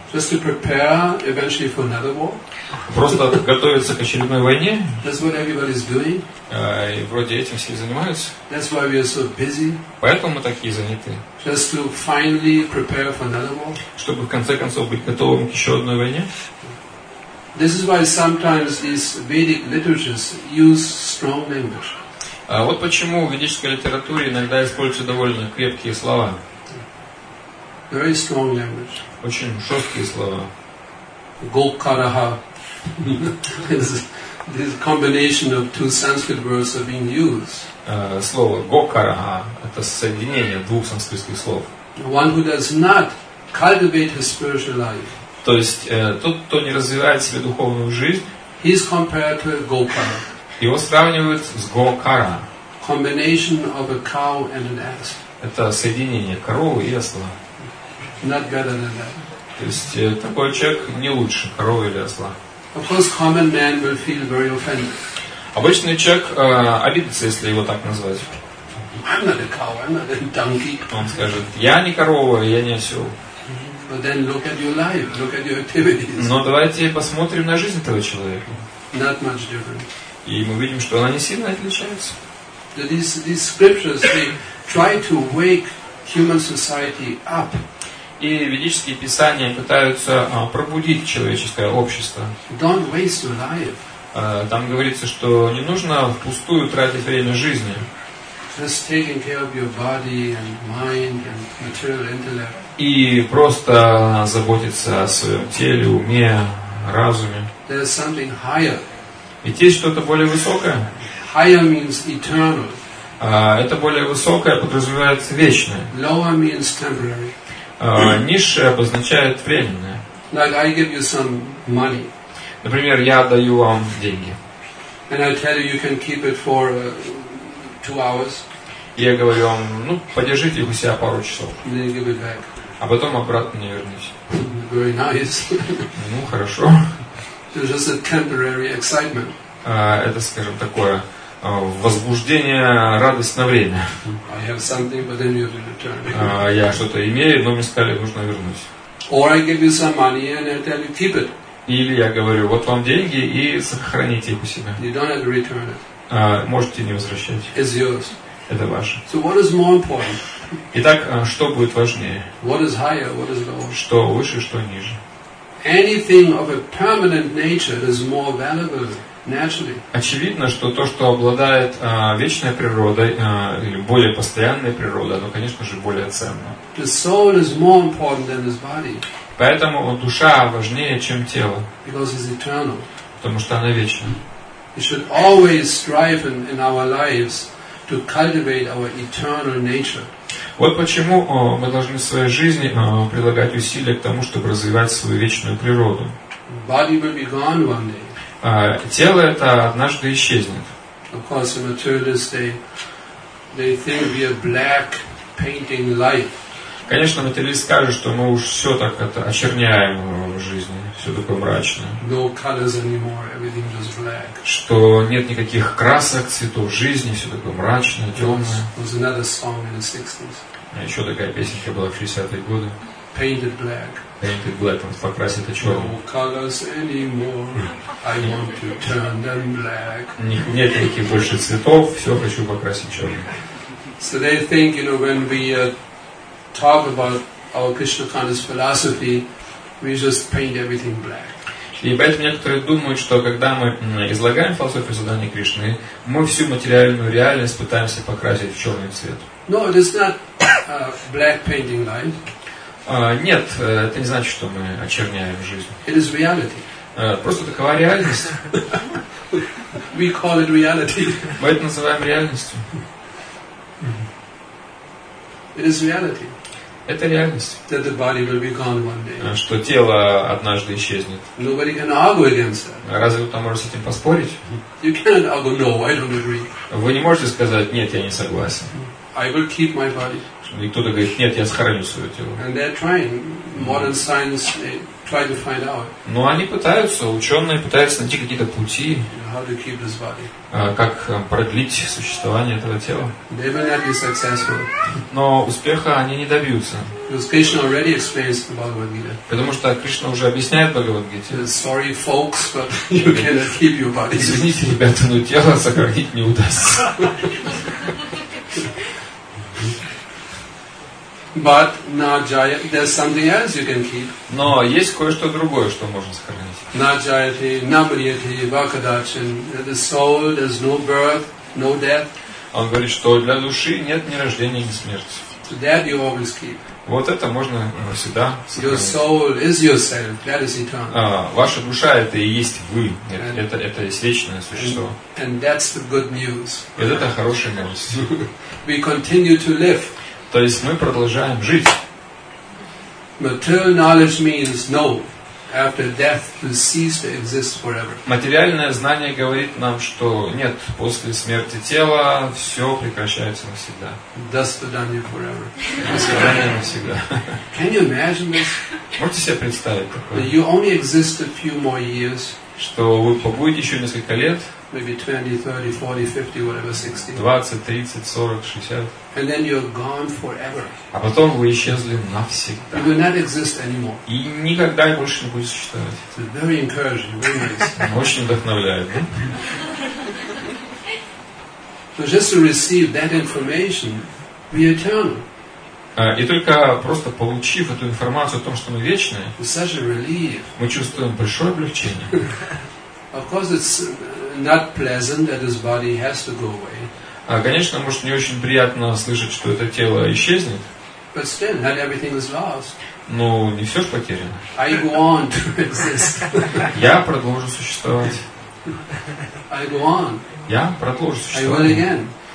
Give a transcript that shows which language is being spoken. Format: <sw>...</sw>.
<en>Just to prepare eventually for another war?</en> <ru>Просто готовиться к очередной войне?</ru> <en>That's what everybody's doing.</en> <ru>И вроде этим все занимаются.</ru> <en>That's why we are so busy.</en> <ru>Поэтому мы такие заняты.</ru> <en>Just to finally prepare for another war?</en> <ru>Чтобы в конце концов быть готовым к еще одной войне?</ru> <en>This is why sometimes these Vedic literatures use strong language.</en> <ru>Вот почему в ведической литературе иногда используются довольно крепкие слова.</ru> <en>Very strong language.</en> <ru>Очень жесткие слова.</ru> <sa>Gokaraha.</sa> <en>This combination of two Sanskrit words are being used.</en> <ru>Слово Gokaraha – это соединение двух санскритских слов.</ru> <en>One who does not cultivate his spiritual life.</en> <ru>То есть тот, кто не развивает себе духовную жизнь,</ru> <en>he is compared to a Gokara.</en> <ru>Его сравнивают с Gokara.</ru> <en>Combination of a cow and an ass.</en> <ru>Это соединение коровы и осла.</ru> <en>Not better than that.</en> <ru>То есть такой человек не лучше коровы или осла.</ru> <en>Of course, common man will feel very offended.</en> <ru>Обычный человек обидится, если его так назвать.</ru> <en>I'm not a cow, I'm not a donkey.</en> <ru>Он скажет: я не корова, я не осел.</ru> <en>But then look at your life, look at your activities.</en> <ru>Но давайте посмотрим на жизнь этого человека.</ru> <en>Not much different.</en> <ru>И мы видим, что она не сильно отличается.</ru> <en>These scriptures, they try to wake human society up.</en> <ru>И ведические писания пытаются пробудить человеческое общество.</ru> <en>Don't waste your life.</en> <ru>Там говорится, что не нужно впустую тратить время жизни.</ru> <en>Just taking care of your body and mind and material intellect.</en> <ru>И просто заботиться о своем теле, уме, разуме.</ru> <en>There's something higher.</en> <ru>Ведь есть что-то более высокое.</ru> <en>Higher means eternal.</en> <ru>Это более высокое подразумевается вечное.</ru> <en>Lower means temporary.</en> <ru>Низшее обозначает временное.</ru> <en>Like I give you some money.</en> <ru>Например, я даю вам деньги.</ru> <en>And I tell you, you can keep it for 2 hours.</en> <ru>Я говорю вам, ну, подержите их у себя пару часов.</ru> <en>And then you give it back.</en> <ru>А потом обратно не вернусь.</ru> <en>Very nice.</en> <ru>Ну, хорошо.</ru> <en>It's just a temporary excitement.</en> <ru>Это, скажем, такое возбуждение, радость на время.</ru> <en>I have something, but then you have to return.</en> <ru>Я что-то имею, но мне сказали, нужно вернуть.</ru> <en>Or I give you some money and I tell you, keep it.</en> <ru>Или я говорю, вот вам деньги и сохраните их у себя.</ru> <en>You don't have to return it.</en> <ru>Можете не возвращать.</ru> <en>It's yours.</en> <ru>Это ваше.</ru> <en>So what is more important?</en> <ru>Итак, что будет важнее?</ru> <en>What is higher, what is lower?</en> <ru>Что выше, что ниже?</ru> <en>Anything of a permanent nature is more valuable naturally.</en> <ru>Очевидно, что то, что обладает вечной природой или более постоянной природой, оно, конечно же, более ценно.</ru> <en>The soul is more important than his body.</en> <ru>Поэтому душа важнее, чем тело.</ru> <en>Because it's eternal.</en> <ru>Потому что она вечна.</ru> <en>We should always strive in our lives to cultivate our eternal nature.</en> <ru>Вот почему мы должны в своей жизни прилагать усилия к тому, чтобы развивать свою вечную природу.</ru> <en>Body will be gone one day.</en> <ru>Тело это однажды исчезнет.</ru> <en>Of course, the materialists they think we are black painting life.</en> <ru>Конечно, материалист скажет, что мы уж все так это очерняем в жизни, все такое мрачное.</ru> <en>No colors anymore, everything just black.</en> <ru>Что нет никаких красок, цветов жизни, все такое мрачное, темное.</ru> <en>There's another song in the 60s.</en> <ru>Еще такая песенка была в 60-е годы.</ru> <en>Painted black. Painted black,</en> <ru>он покрасит это черным.</ru> <en>No colors anymore, I want to turn them black.</en> <ru>Нет никаких больше цветов, все хочу покрасить черным.</ru> <en>So they think, you know, when we talk about our Krishna consciousness philosophy, we just paint everything black.</en> <ru>И поэтому некоторые думают, что когда мы излагаем философию сознания Кришны, мы всю материальную реальность пытаемся покрасить в черный цвет.</ru> <en>No, it is not black painting life.</en> <ru>Нет, это не значит, что мы очерняем жизнь.</ru> <en>It is reality.</en> <ru>Просто такова реальность.</ru> <en>We call it reality.</en> <ru>Мы это называем реальностью.</ru> <en>It is reality.</en> <ru>Это реальность.</ru> <en>That the body will be gone one day.</en> <ru>Что тело однажды исчезнет.</ru> <en>Nobody can argue against that.</en> <ru>Разве кто-то может с этим поспорить?</ru> <en>You cannot argue, no, I don't agree.</en> <ru>Вы не можете сказать, нет, я не согласен.</ru> <en>I will keep my body.</en> <ru>И кто-то говорит, нет, я сохраню свое тело.</ru> <en>And they're trying. Modern science, they try to find out.</en> <ru>Но они пытаются, ученые пытаются найти какие-то пути.</ru> <en>How to keep this body.</en> <ru>Как продлить существование этого тела.</ru> <en>They will not be successful.</en> <ru>Но успеха они не добьются.</ru> <en>Because Krishna already explains the Bhagavad Gita.</en> <ru>Потому что Кришна уже объясняет Бхагавад Гите.</ru> <en>Sorry, folks, but you cannot keep your body.</en> <ru>Извините, ребята, но тело сохранить не удастся.</ru> <en>But</en> <sa>na jayate,</sa> <en>there's something else you can keep.</en> <ru>Но есть кое-что другое, что можно сохранить.</ru> <sa>Na jayate, na mriyate, vakadachin.</sa> <en>The soul, there's no birth, no death.</en> <ru>Он говорит, что для души нет ни рождения, ни смерти.</ru> <en>So that you always keep.</en> <ru>Вот это можно всегда сохранить.</ru> <en>Your soul is yourself. That is eternal.</en> <ru>Ваша душа это и есть вы. Это есть вечное существо.</ru> <en>And that's the good news.</en> <ru>Это хорошая новость.</ru> <en>We continue to live.</en> <ru>То есть мы продолжаем жить.</ru> <en>Material knowledge means no. After death, you cease to exist forever.</en> <ru>Материальное знание говорит нам, что нет, после смерти тела все прекращается навсегда.</ru> <en>Dust to dust forever.</en> <ru>До свидания навсегда.</ru> <en>Can you imagine this?</en> <ru>Можете себе представить такое?</ru> <en>That you only exist a few more years.</en> <ru>Что вы побудете еще несколько лет?</ru> <en>Maybe 20, 30, 40, 50, whatever, 60.</en> <ru>20, 30, 40, 60.</ru> <en>And then you're gone forever.</en> <ru>А потом вы исчезли навсегда.</ru> <en>You will not exist anymore.</en> <ru>И никогда больше не будете существовать.</ru> <en>It's very encouraging, very nice.</en> <ru>Очень вдохновляет, да?</ru> <en>So just to receive that information, we are eternal.</en> <ru>И только просто получив эту информацию о том, что мы вечные,</ru> <en>such a relief.</en> <ru>Мы чувствуем большое облегчение.</ru> <en>Of course, it's not pleasant that his body has to go away.</en> <ru>Конечно, может, не очень приятно слышать, что это тело исчезнет.</ru> <en>But still, not everything is lost.</en> <ru>Ну, не все же потеряно.</ru> <en>I go on to exist.</en> <ru>Я продолжу существовать.</ru> <en>I go on.</en> <ru>Я продолжу существовать.</ru> <en>I will again.</en>